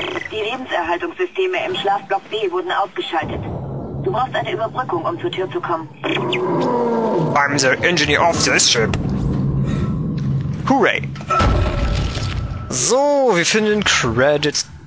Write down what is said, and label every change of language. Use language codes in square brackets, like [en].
[de] Die Lebenserhaltungssysteme im Schlafblock B wurden ausgeschaltet. Du brauchst eine Überbrückung, um zur Tür zu kommen. [en] I'm the engineer of this ship. Hooray! [de] So, wir finden Credit-Tische.